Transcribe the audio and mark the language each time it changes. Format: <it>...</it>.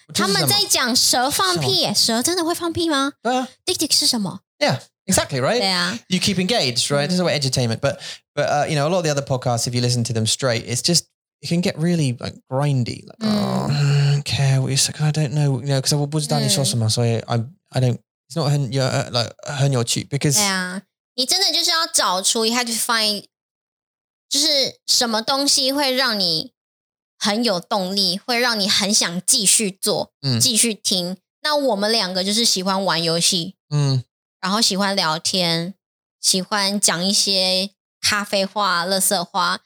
<zh>他们在讲蛇放屁耶蛇真的会放屁吗对啊 Dick Dick 是什么</zh> <en>Yeah, exactly, right?</en> <zh>对啊</zh> <en>You keep engaged, right?、Mm-hmm. This is about entertainment. But, you know, a lot of the other podcasts, if you listen to them straight, it's just, it can get really, like, grindy. Like,、oh, I don't care. I don't know. You know, because</en> <zh>我不知道你说什么所以</zh> <en>I don't, it's not 很有 like,</en> <zh>很有趣</zh> <en>because...</en> <zh>对啊你真的就是要找出</zh> <en>you have to find,</en> <zh>就是什么东西会让你很有动力会让你很想继续做继续听那我们两个就是喜欢玩游戏然后喜欢聊天喜欢讲一些咖啡话垃圾话、</zh>